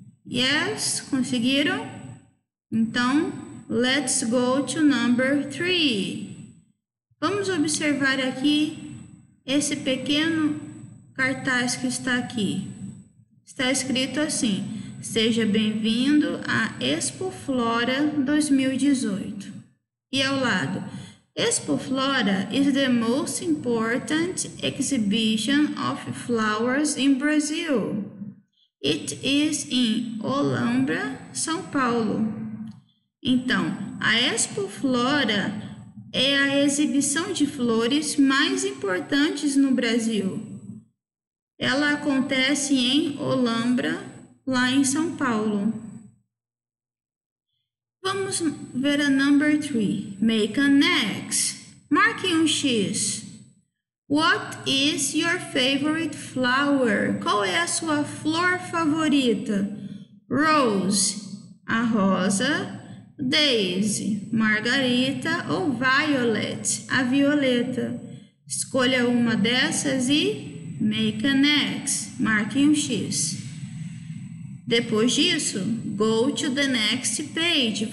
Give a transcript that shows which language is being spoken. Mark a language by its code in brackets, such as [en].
[en] Yes, [pt] conseguiram? Então, [en] let's go to number 3. [pt] Vamos observar aqui esse pequeno cartaz que está aqui. Está escrito assim: seja bem-vindo à Expo Flora 2018. E ao lado, [en] Expo Flora is the most important exhibition of flowers in Brazil. It is in Olambra, São Paulo. [pt] Então, a Expo Flora é a exibição de flores mais importantes no Brasil. Ela acontece em Olambra, lá em São Paulo. Vamos ver a [en] number 3. Make an X. [pt] Marque um X. [en] What is your favorite flower? [pt] Qual é a sua flor favorita? Rose, a rosa. Daisy, margarita. Ou violet, a violeta. Escolha uma dessas e [en] make an X. [pt] Marque um X. Depois disso, [en] go to the next page.